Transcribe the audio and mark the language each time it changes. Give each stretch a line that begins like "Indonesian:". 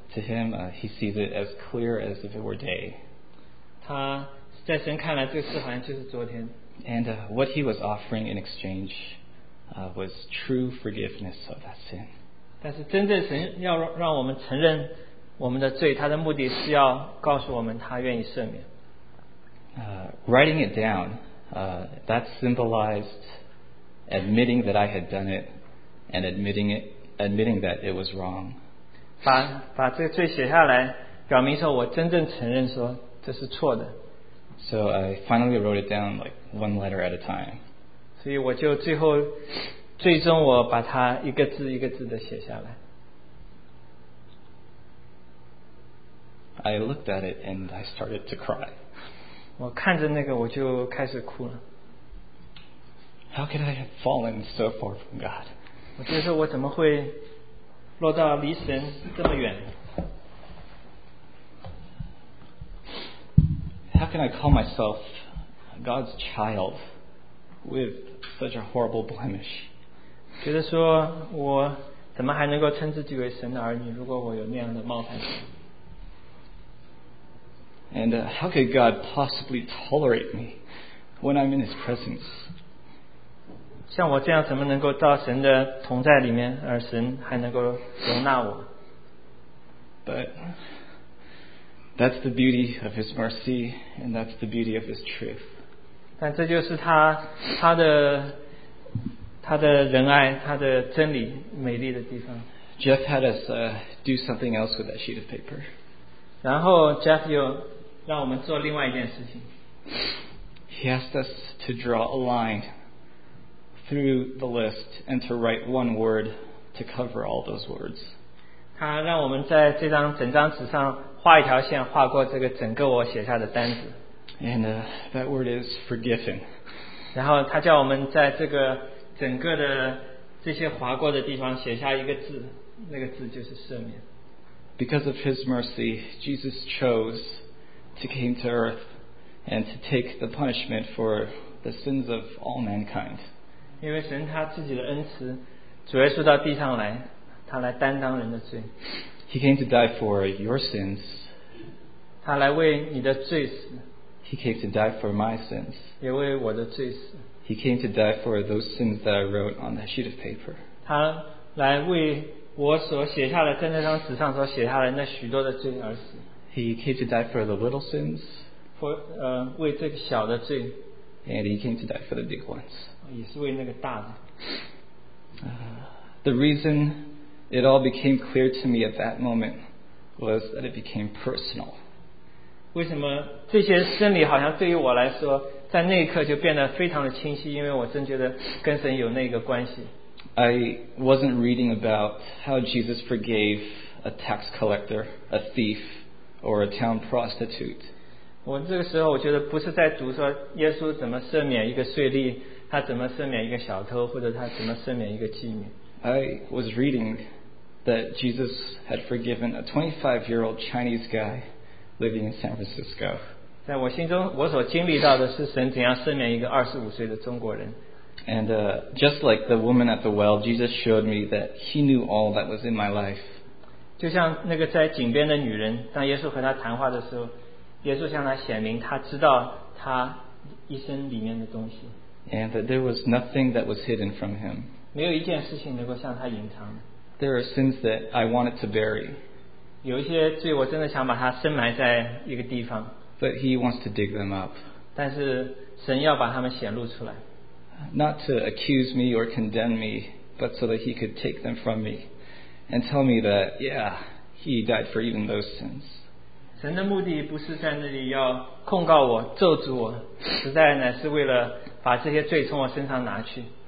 English: To him, he sees it as clear as if it were day.
Chinese: 他在神看来，这个事好像就是昨天。
English: And what he was offering in exchange was true forgiveness of that sin.
Chinese: 但是真正神要让我们承认我们的罪，他的目的是要告诉我们他愿意赦免。
English: Writing it down, that symbolized admitting that I had done it. And admitting that it was wrong.
Chinese: 把这个罪写下来，表明说我真正承认说这是错的。
English: So I finally wrote it down like one letter at a time.
Chinese: 所以我就最后，最终我把它一个字一个字的写下来。
English: I looked at it and I started to cry.
Chinese: 我看着那个我就开始哭了。
English: How could I have fallen so far from God?
Chinese: 我就说我怎么会落到离神这么远。
English: How can I call myself God's child with such a horrible blemish?
Chinese: 觉得说我怎么还能够称自己为神的儿女，如果我有那样的冒犯。
English: And how could God possibly tolerate me when I'm in His presence?
Chinese: 像我这样怎么能够到神的同在里面，而神还能够容纳我？
English: But that's the beauty of His mercy, and that's the beauty of His truth.
Chinese: 但这就是他的仁爱，他的真理，美丽的地方。
English: Jeff had us do something else with that sheet of paper.
Chinese: 然后 Jeff 又让我们做另外一件事情。
English: He asked us to draw a line through the list and to write one word to cover all those words.
Chinese: 他让我们在这张整张纸上画一条线，画过这个整个我写下的单子。
English: And that word is forgiven.
Chinese: 然后他叫我们在这个整个的这些划过的地方写下一个字，那个字就是赦免。
English: Because of His mercy, Jesus chose to came to earth and to take the punishment for the sins of all mankind.
Chinese: 因为神他自己的恩慈，主耶稣到地上来，他来担当人的罪。
English: He came to die for your sins.
Chinese: 他来为你的罪死。
English: He came to die for my sins.
Chinese: 也为我的罪死。
English: He came to die for those sins that I wrote on that sheet of paper.
Chinese: 他来为我所写下的，在那张纸上所写下的那许多的罪而死。
English: He came to die for the little sins.
Chinese: For, 为这个小的罪。
English: And he came to die for the big ones.
Chinese: 也是为那个大的。
English: The reason it all became clear to me at that moment was that it became personal.
Chinese: 为什么这些真理好像对于我来说，在那一刻就变得非常的清晰，因为我真觉得跟神有那个关系。
English: I wasn't reading about how Jesus forgave a tax collector, a thief, or a town prostitute.
Chinese: 我这个时候我觉得不是在读说耶稣怎么赦免一个税吏，他怎么赦免一个小偷，或者他怎么赦免一个妓女。
English: I was reading that Jesus had forgiven a 25-year-old Chinese guy living in San Francisco.
Chinese: 在我心中，我所经历到的是神怎样赦免一个25岁的中国人。
English: And just like the woman at the well, Jesus showed me that He knew all that was in my life.
Chinese: 就像那个在井边的女人，当耶稣和她谈话的时候，耶稣向她显明他知道她一生里面的东西。
English: And that there was nothing that was hidden from him.
Chinese: 没有一件事情能够向他隐藏。
English: There are sins that I wanted to bury.
Chinese: 有一些罪我真的想把它深埋在一个地方。
English: But he wants to dig them up.
Chinese: 但是神要把他们显露出来。
English: Not to accuse me or condemn me, but so that he could take them from me. And tell me that, yeah, he died for even those sins.
Chinese: 神的目的不是在那里要控告我、咒诅我，实在呢是为了把这些罪从我身上拿去。